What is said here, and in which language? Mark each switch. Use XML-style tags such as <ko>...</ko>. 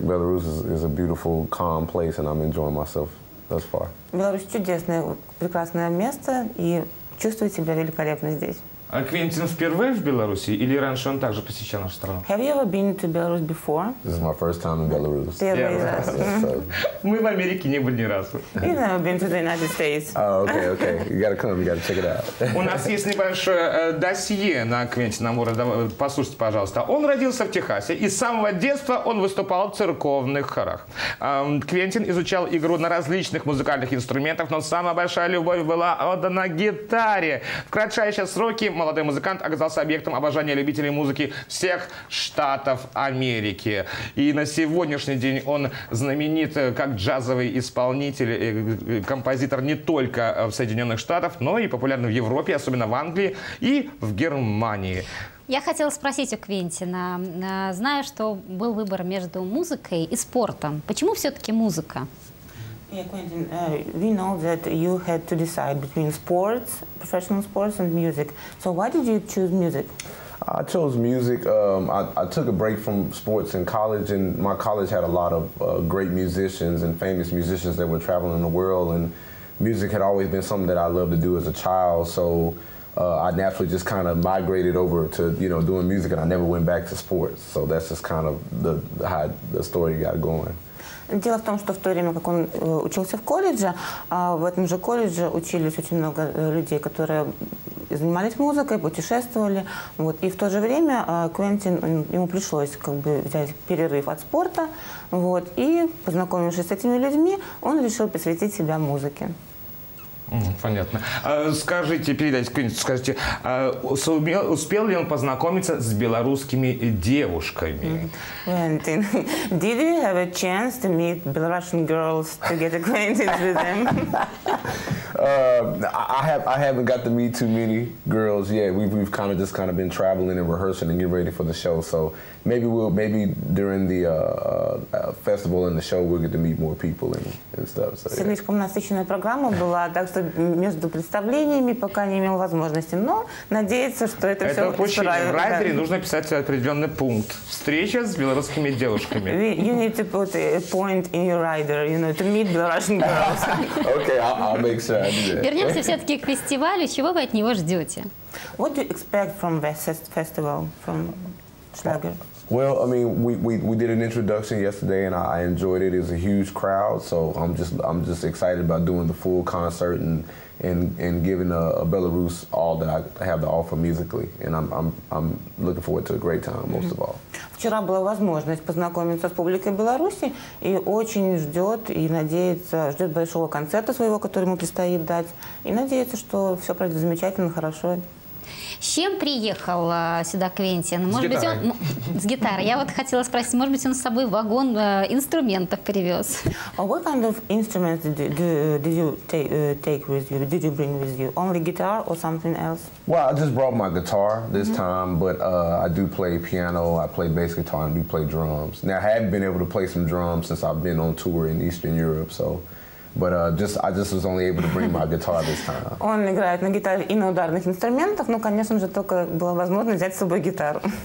<en>Belarus is a beautiful, calm place, and I'm enjoying myself thus far.</en> <ru>Беларусь чудесное, прекрасное место, и чувствую себя великолепно здесь. А Квентин впервые в Беларуси, или раньше он также посещал нашу страну?</ru> <en>Have you ever been to Belarus before? This is my first time in Belarus.</en> <ru>Первый раз. Мы в Америке не были ни разу.</ru> <en>You've never been to the United States. Oh, okay. You gotta come, you gotta check it out.</en> <ru>У нас есть небольшое досье на Квентина Мура. Послушайте, пожалуйста. Он родился в Техасе, и с самого детства он выступал в церковных хорах. Квентин изучал игру на различных музыкальных инструментах, но самая большая любовь была отдана гитаре. В кратчайшие сроки молодой музыкант оказался объектом обожания любителей музыки всех штатов Америки. И на сегодняшний день он знаменит как джазовый исполнитель, композитор не только в Соединенных Штатах, но и популярный в Европе, особенно в Англии и в Германии. Я хотела спросить у Квентина, зная, что был выбор между музыкой и спортом, почему все-таки музыка?</ru> <en>Yeah, Quentin, we know that you had to decide between sports, professional sports and music. So why did you choose music? I chose music. I took a break from sports in college, and my college had a lot of great musicians and famous musicians that were traveling the world, and music had always been something that I loved to do as a child, so I naturally just kind of migrated over to, you know, doing music, and I never went back to sports. So that's just kind of the story got going.</en> <ru>Дело в том, что в то время, как он учился в колледже, в этом же колледже учились очень много людей, которые занимались музыкой, путешествовали. Вот. И в то же время Квентин, ему пришлось как бы взять перерыв от спорта. Вот. И, познакомившись с этими людьми, он решил посвятить себя музыке. Понятно. Скажите, передайте Квентину, скажите, успел ли он познакомиться с белорусскими девушками?</ru> <en>Квентин, did you have a chance to meet Belarusian girls to get acquainted with them? I haven't got to meet too many girls yet. We've kind of just kind of been traveling and rehearsing and getting ready for the show. So maybe during the festival and the show we'll get to meet more people and stuff. So, yeah.</en> <ru>Слишком насыщенная программа была, так что между представлениями пока не имел возможности. Но надеется, что это все исправится. В райдере нужно писать определенный пункт. Встреча с белорусскими девушками.</ru> <en>You need to put a point in your rider, you know, to meet Belarusian girls. Okay, I'll make sure.</en> <ru>Вернемся все-таки к фестивалю. Чего вы от него ждете?</ru> <en>What do you expect from the festival, from Schlager? Well, I mean, we did an introduction yesterday, and I enjoyed it. It was a huge crowd, so I'm just excited about doing the full concert and giving a Belarus all that I have to offer musically, and I'm looking forward to a great time, most of all.</en> <ru>Вчера была возможность познакомиться с публикой Беларуси, и очень ждет и надеется, ждет большого концерта своего, который ему предстоит дать, и надеется, что все пройдет замечательно, хорошо. С чем приехал сюда Квентин? Может быть, он с гитарой. Я вот хотела спросить, может быть, он с собой вагон инструментов привез?</ru> <en>What kind of instruments did you take with you? Did you bring with you only guitar or something else? Well, I just brought my guitar this time, but I do play piano, I play bass guitar, and we play drums. Now, I haven't been able to play some drums since I've been on tour in Eastern Europe, so. But I just was only able to bring my guitar this time.</en> <ru>Он играет на гитаре и на ударных инструментах, но, конечно же, только была возможность взять с собой гитару.</ru>